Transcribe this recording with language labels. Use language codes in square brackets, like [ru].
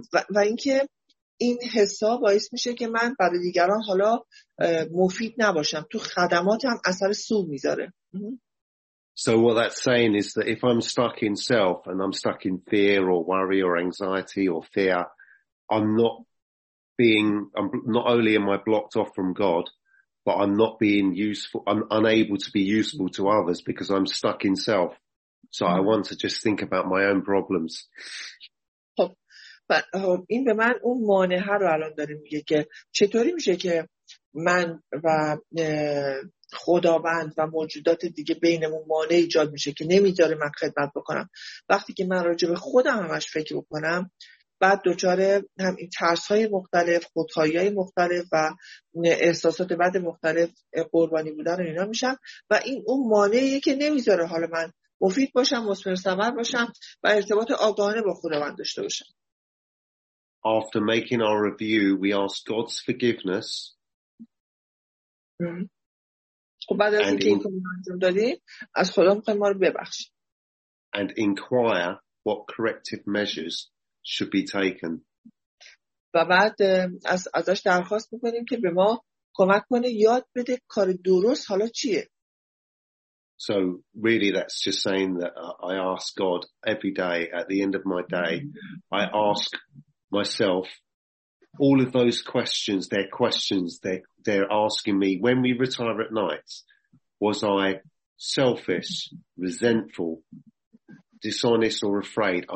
[fa] و اینکه این حساب باعث میشه که من برای دیگران حالا مفید نباشم، تو خدماتم اثر سوء میذاره. [en] So what that's saying is that if I'm stuck in self and I'm stuck in fear or worry or anxiety or fear, I'm not only blocked off from God, but I'm not being useful, I'm unable to be useful to others because I'm stuck in self. So I want to just think about my own problems. [fa] خب این به من اون مانعه رو الان داره میگه که چطوری میشه که من و خداوند و موجودات دیگه بینمون مانع ایجاد میشه که نمیذاره من خدمت بکنم. وقتی که من راجع به خودم همش فکر بکنم، بعد دوچاره هم این ترس های مختلف، خودخواهی های مختلف و احساسات بد مختلف، قربانی بودن و اینا میشم و این اون مانعیه که نمیذاره حالا من مفید باشم، مثمر ثمر باشم و ارتباط آگاهانه با خداوند داشته باشم. [en] After making our review, we ask God's forgiveness. [fa] خب بعد از اینکه این کارو انجام دادیم، از خدا میخوایم ما رو ببخشیم. [en] And inquire what corrective measures should be taken. [fa] و بعد ازش درخواست میکنیم که به ما کمک کنه یاد بده کار درست حالا چیه. [en] So really that's just saying that I ask God every day at the end of my day, I ask myself all of those questions, they're asking me when we retire at night, was I selfish, resentful, dishonest or afraid?